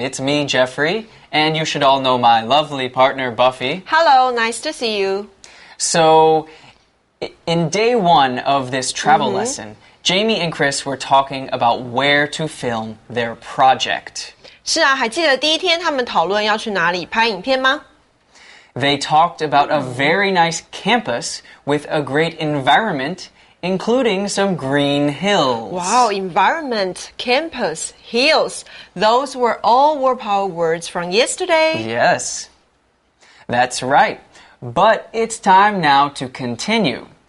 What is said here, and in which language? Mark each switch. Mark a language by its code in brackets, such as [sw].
[en] It's me, Jeffrey, and you should all know my lovely partner, Buffy. Hello, nice to see you. So, in day one of this travel lesson, Jamie and Chris were talking about where to film their project. [zh] 是啊，还记得第一天他们讨论要去哪里拍影片吗？ [en] They talked about a very nice campus with a great environment, including some green hills. Wow, environment, campus, hills. Those were all WorldPower words from yesterday. Yes, that's right. But it's time now to continue.